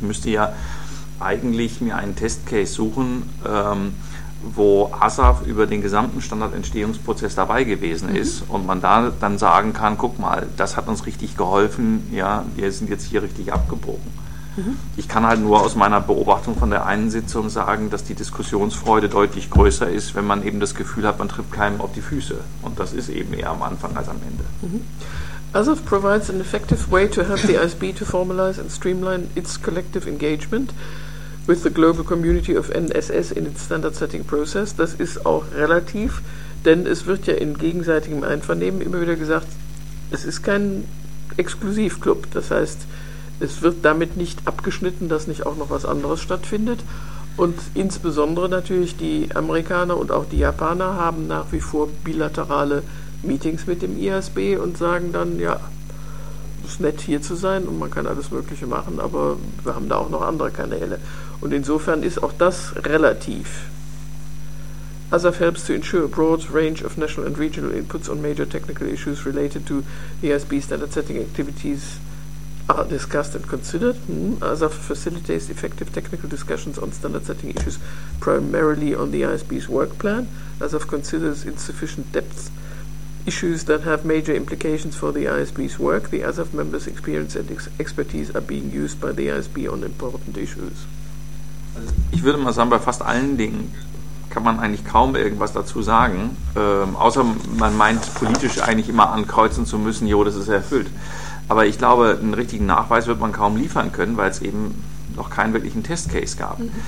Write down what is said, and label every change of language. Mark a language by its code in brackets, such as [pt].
[de] Ich müsste ja eigentlich mir einen Testcase suchen, wo ASAF über den gesamten Standardentstehungsprozess dabei gewesen ist und man da dann sagen kann, guck mal, das hat uns richtig geholfen, ja, wir sind jetzt hier richtig abgebogen. Ich kann halt nur aus meiner Beobachtung von der einen Sitzung sagen, dass die Diskussionsfreude deutlich größer ist, wenn man eben das Gefühl hat, man tritt keinem auf die Füße. Und das ist eben eher am Anfang als am Ende. [en] ASAF provides an effective way to help the ISB to formalize and streamline its collective engagement with the global community of NSS in its standard setting process. [de] Das ist auch relativ, denn es wird ja in gegenseitigem Einvernehmen immer wieder gesagt, es ist kein Exklusivclub. Das heißt, es wird damit nicht abgeschnitten, dass nicht auch noch was anderes stattfindet. Und insbesondere natürlich die Amerikaner und auch die Japaner haben nach wie vor bilaterale Meetings mit dem ISB und sagen dann, ja, es ist nett hier zu sein und man kann alles Mögliche machen, aber wir haben da auch noch andere Kanäle. Und insofern ist auch das relativ. [en] ASAF helps to ensure a broad range of national and regional inputs on major technical issues related to ISB standard setting activities are discussed and considered. ASAF facilitates effective technical discussions on standard setting issues primarily on the ISB's work plan. ASAF considers insufficient depth issues that have major implications for the ISB's work. The ASAF members' experience and expertise are being used by the ISB on important issues. [de] Ich würde mal sagen, bei fast allen Dingen kann man eigentlich kaum irgendwas dazu sagen, außer man meint politisch eigentlich immer ankreuzen zu müssen, jo, das ist erfüllt. Aber ich glaube, einen richtigen Nachweis wird man kaum liefern können, weil es eben noch keinen wirklichen Testcase gab.